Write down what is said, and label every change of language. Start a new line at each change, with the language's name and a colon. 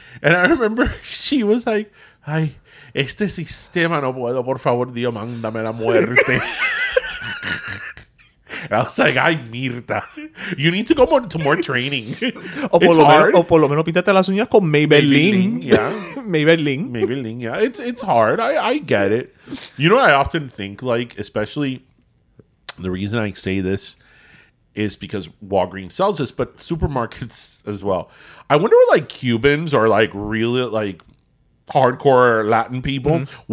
English: And I remember she was like,
Spanish: ay, este sistema no puedo, por favor, Dios, mándame la muerte.
English: And I was like, ay, Mirta, you need to go to more training.
Spanish: O por lo menos píntate las uñas con Maybelline.
English: Maybelline. Maybelline, yeah. It's hard. I get it. You know, I often think, like, especially the reason I say this is because Walgreens sells this, but supermarkets as well. I wonder what, like, Cubans or, like, really, like, hardcore Latin people, mm-hmm.